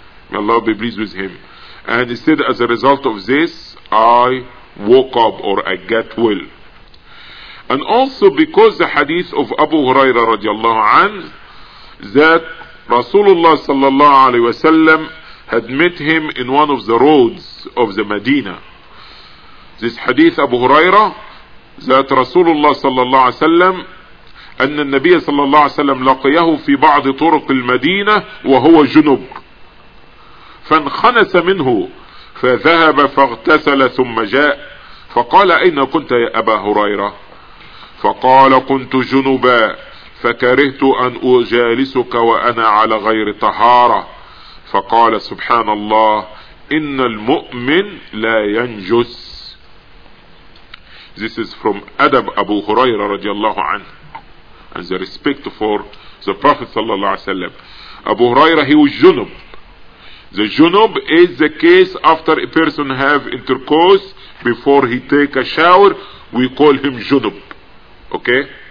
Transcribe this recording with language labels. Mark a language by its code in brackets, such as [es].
[en] May Allah be pleased with him. And he said, as a result of this, I woke up, or I get well. And also because the hadith of Abu Huraira radiallahu anhu, that Rasulullah sallallahu alayhi wa sallam had met him in one of the roads of the Medina. This hadith Abu Huraira, that Rasulullah sallallahu alayhi wa sallam, [ar] أن النبي صلى الله عليه وسلم لقيه في بعض طرق المدينة وهو جنب فانخنس منه فذهب فاغتسل ثم جاء فقال أين كنت يا أبا هريرة فقال كنت جنبا فكرهت أن أجالسك وأنا على غير طهارة فقال سبحان الله إن المؤمن لا ينجس. [en] This is from Adab Abu Huraira رضي الله عنه, and the respect for the Prophet sallallahu alaihi wasallam. Abu Huraira, he was junub. The junub is the case after a person have intercourse before he take a shower, we call him junub. Okay?